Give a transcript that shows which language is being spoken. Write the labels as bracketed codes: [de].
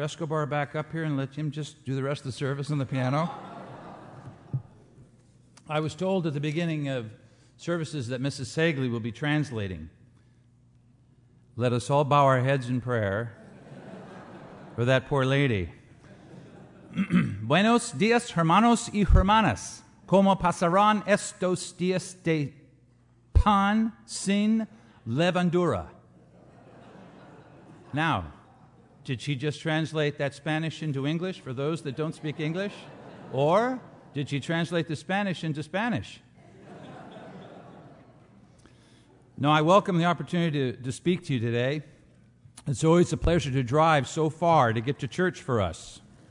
[en] Escobar back up here and let him just do the rest of the service on the piano? I was told at the beginning of services that Mrs. Segley will be translating. Let us all bow our heads in prayer for that poor lady. [es] Buenos días, hermanos y hermanas. ¿Cómo pasarán estos días de pan sin levadura? [en] Now, did she just translate that Spanish into English for those that don't speak English? Or did she translate the Spanish into Spanish? Now, I welcome the opportunity to speak to you today. It's always a pleasure to drive so far to get to church for us.